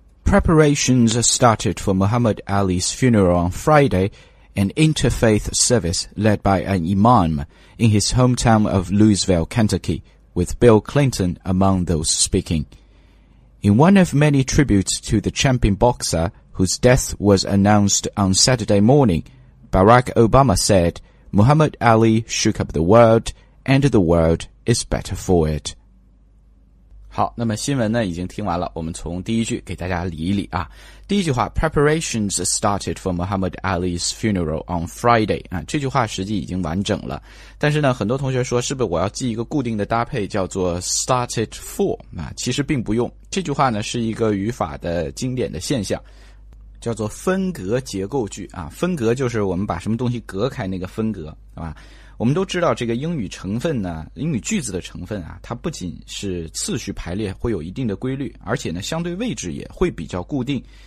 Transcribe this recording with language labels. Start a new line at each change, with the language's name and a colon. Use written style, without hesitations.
English: Preparations started for Muhammad Ali's funeral on Friday, an interfaith service led by an imam in his hometown of Louisville, Kentucky, with Bill Clinton among those speaking. In one of many tributes to the champion boxer, whose death was announced on Saturday morning, Barack Obama said, "Muhammad Ali shook up the world, and the world is better for it."
Chinese: 好，那么新闻呢已经听完了，我们从第一句给大家理一理啊。第一句话 ,
English: Preparations started for Muhammad Ali's funeral on Friday,
Chinese: 啊，这句话实际已经完整了。但是呢很多同学说是不是我要记一个固定的搭配叫做 started for, 啊，其实并不用。这句话呢是一个语法的经典的现象。叫做分隔结构句啊，分隔就是我们把什么东西隔开那个分隔，是吧？我们都知道这个英语成分呢，英语句子的成分啊，它不仅是次序排列会有一定的规律，而且呢，相对位置也会比较固定。